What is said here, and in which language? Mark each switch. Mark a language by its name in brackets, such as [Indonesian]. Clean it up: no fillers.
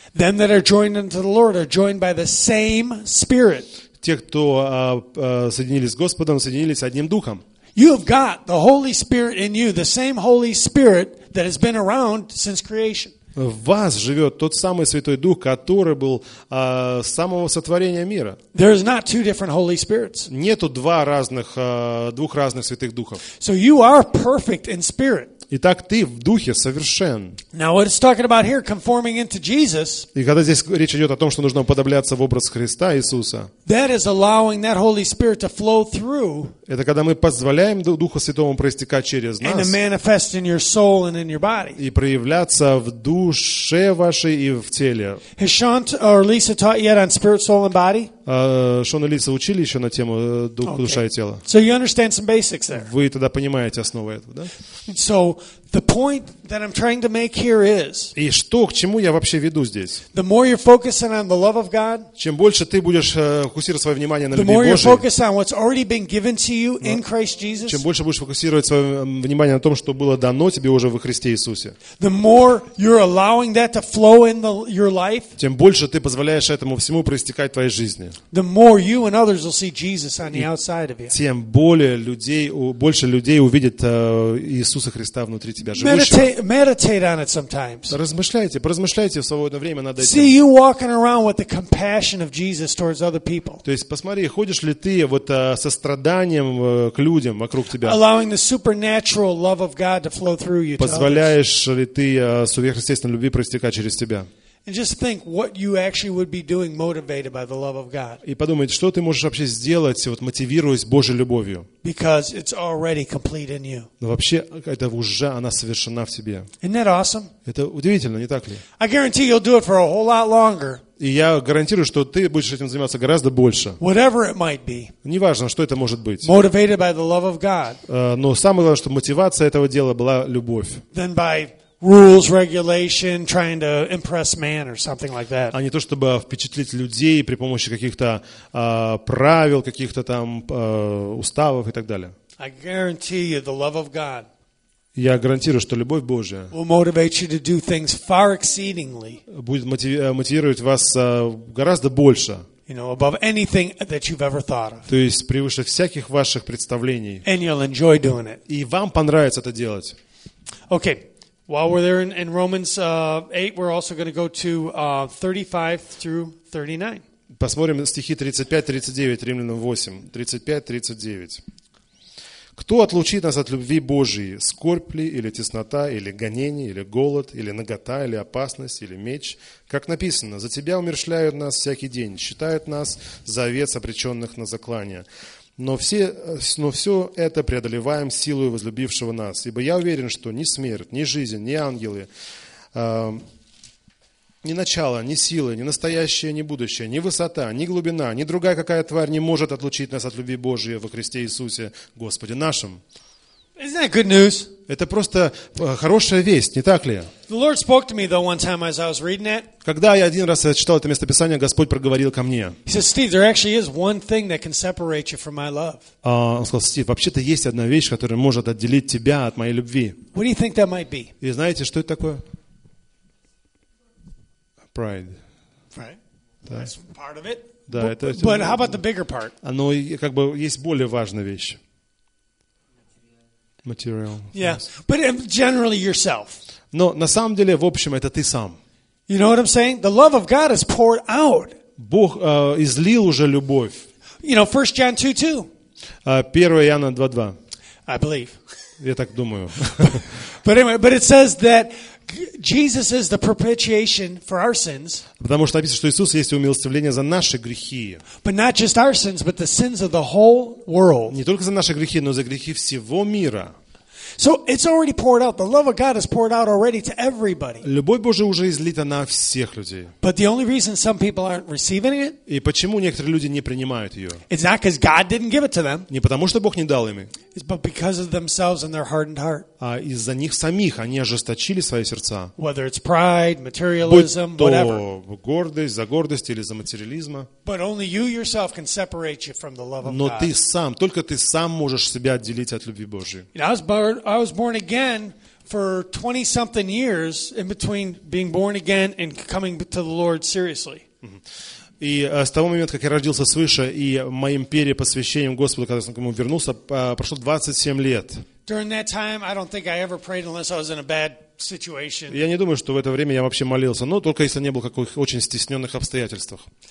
[English] Them that are joined unto the Lord are joined by the same Spirit. [Russian] Те, кто соединились с Господом, соединились одним Духом. [English] You have got the Holy Spirit in you, the same Holy Spirit that has been around since creation. [Russian] В вас живет тот самый Святой Дух, который был с самого сотворения мира. [English] There is not two different Holy Spirits. [Russian] Нету двух разных Святых Духов. [English] So you are perfect in spirit. [Russian] Итак, ты в духе совершен. [English] Now what it's talking about here, conforming into Jesus. [Russian] И когда здесь речь идет о том, что нужно уподобляться в образ Христа Иисуса. [English] That is allowing that Holy Spirit to flow through. [Russian] Это когда мы позволяем Духу Святому проистекать через нас. [English] And to manifest in your soul and in your body. [Russian] И проявляться в душе вашей и в теле. [English] Has Sean or Lisa taught yet on spirit, soul, and body? [Russian] Шон и Лиса учили еще на тему дух, душа и тело. [English] So you understand some basics there. [Russian] Вы тогда понимаете основу этого, да? [English] So the point that I'm trying to make here is. [Russian] И что, к чему я вообще веду здесь? [English] The more you're focusing on the love of God. [Russian] Чем больше ты будешь фокусировать свое внимание на любви Божией. [English] The more you're focused on what's already been given to you in Christ Jesus. [Russian] Чем больше будешь фокусировать свое внимание на том, что было дано тебе уже во Христе Иисусе. [English] The more you're allowing that to flow in your life. [Russian] Тем больше ты позволяешь этому всему проистекать в твоей жизни. [English] The more you and others will see Jesus on the outside of you. [Russian] Тем более людей, больше людей увидят Иисуса Христа внутри тебя. себя живущего. [English] Meditate on it sometimes. [Russian] Поразмышляйте в свободное время над этим. [English] See you walking around with the compassion of Jesus towards other people. [Russian] То есть посмотри, ходишь ли ты вот состраданием к людям вокруг тебя. [English] Allowing the supernatural love of God to flow through you. [Russian] Позволяешь ли ты сверхъестественной любви проистекать через тебя? [English] And just think what you actually would be doing motivated by the love of God. [Russian] И подумайте, что ты можешь вообще сделать, вот мотивируясь Божьей любовью. [English] Because it's already complete in you. [Russian] Но вообще это уже она совершена в тебе. [English] Isn't that awesome? [Russian] Это удивительно, не так ли? [English] I guarantee you'll do it for a whole lot longer. [Russian] И я гарантирую, что ты будешь этим заниматься гораздо больше. [English] Whatever it might be. [Russian] Неважно, что это может быть. [English] Motivated by the love of God. [Russian] Но самое главное, что мотивация этого дела была любовь. [English] Then by rules, regulation, trying to impress man or something like that. [Russian] А не то чтобы впечатлить людей при помощи каких-то правил, каких-то там уставов и так далее. [English] I guarantee you the love of God. [Russian] Я гарантирую, что любовь Божья [English] will motivate you to do things far exceedingly. [Russian] Будет мотивировать вас гораздо больше. [English] You know, above anything that you've ever thought of. [Russian] То есть превыше всяких ваших представлений. [English] And you'll enjoy doing it. [Russian] И вам понравится это делать. [English] Okay. While we're there in Romans 8, we're also going to go to 35 through 39. [Russian] Посмотрим стихи 35-39, Римлянам 8. 35-39. Кто отлучит нас от любви Божией? Скорбь ли, или теснота, или гонение, или голод, или нагота, или опасность, или меч? Как написано, за тебя умерщвляют нас всякий день, считают нас за овец, обреченных на заклание. Но все это преодолеваем силою возлюбившего нас. Ибо я уверен, что ни смерть, ни жизнь, ни ангелы, ни начало, ни силы, ни настоящее, ни будущее, ни высота, ни глубина, ни другая какая тварь не может отлучить нас от любви Божией во Христе Иисусе, Господе нашим. [English] Isn't that good news? [Russian] Это просто хорошая весть, не так ли? [English] The Lord spoke to me though one time as I was reading it. [Russian] Когда я один раз читал это местописание, Господь проговорил ко мне. [English] He said, Steve, there actually is one thing that can separate you from my love. [Russian] Он сказал, Стив, вообще-то есть одна вещь, которая может отделить тебя от моей любви. [English] What do you think that might be? [Russian] И знаете, что это такое? [English] Pride. Right. [Russian] Да. [English] That's part of it. [Russian] Да, [English] but how about the bigger part? [Russian] Оно как бы есть более важная вещь. [English] Material. Yeah, yes. But generally yourself. [Russian] Но на самом деле, в общем, это ты сам. [English] You know what I'm saying? The love of God is poured out. [Russian] Бог излил уже любовь. [English] You know, 1 John 2, 2. [Russian] 1 Иоанна 2, 2. [English] I believe. [Russian] Я так думаю. [English] But anyway, but it says that Jesus is the propitiation for our sins. [Russian] Потому что написано, что Иисус есть умилостивление за наши грехи. [English] But not just our sins, but the sins of the whole world. [Russian] Не только за наши грехи, но за грехи всего мира. [English] So it's already poured out. The love of God is poured out already to everybody. [Russian] Любовь Божия уже излита на всех людей. [English] But the only reason some people aren't receiving it? [Russian] И почему некоторые люди не принимают ее? [English] It's not because God didn't give it to them. [Russian] Не потому что Бог не дал им. [English] It's because of themselves and their hardened heart. [Russian] А из-за них самих они ожесточили свои сердца. [English] Whether it's pride, materialism, whatever. [Russian] Будь то гордость, за гордость или за материализма. [English] But only you yourself can separate you from the love of God. [Russian] Но ты сам, только ты сам можешь себя отделить от любви Божией. [English] I was born again for 20 something years in between being born again and coming to the Lord seriously. [Russian] И с того момента, как я родился свыше и моим перепосвящением Господу, когда я к нему вернулся, прошло 27 лет. [English] During that time, I don't think I ever prayed unless I was in a bad situation. [Russian] Я не думаю, что в это время я вообще молился, но только если не был в каких-то очень стесненных обстоятельствах.